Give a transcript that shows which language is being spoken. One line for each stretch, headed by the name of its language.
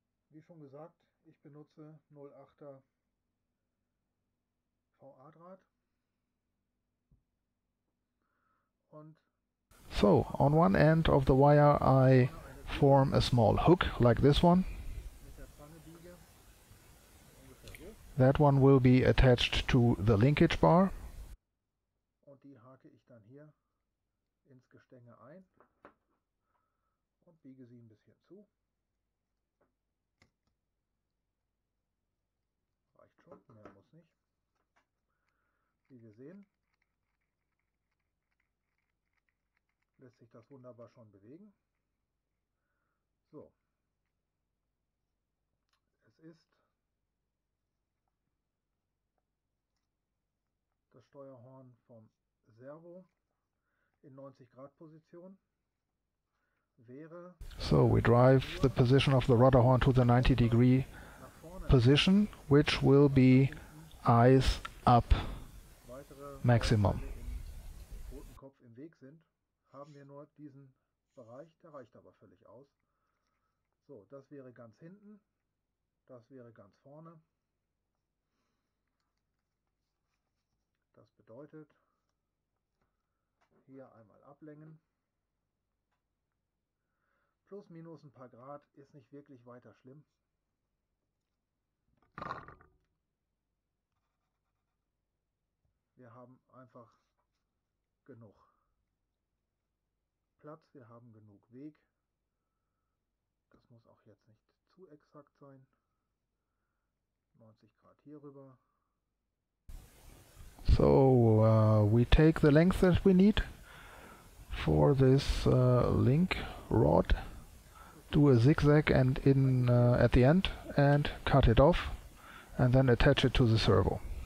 German: Wie schon gesagt, ich benutze 08er VA-Draht. Und
English: so, on one end of the wire I form a small hook like this one. That one will be attached to the linkage bar.
German: Hake ich dann hier ins Gestänge ein und biege sie ein bisschen zu. Reicht schon, mehr muss nicht. Wie wir sehen, lässt sich das wunderbar schon bewegen. So, es ist das Steuerhorn vom Servo in 90 Grad Position wäre. So we drive the position of the rudder horn to the 90 degree position, which will be eyes up maximum. Totenkopf im Weg sind, haben wir nur diesen Bereich, der reicht aber völlig aus. So, das wäre ganz hinten, das wäre ganz vorne. Das bedeutet, hier einmal ablängen. Plus minus ein paar Grad ist nicht wirklich weiter schlimm. Wir haben einfach genug Platz, wir haben genug Weg. Das muss auch jetzt nicht zu exakt sein. 90 Grad hier rüber.
English: So, we take the length that we need for this link rod, do a zigzag and in at the end and cut it off and then attach it to the servo.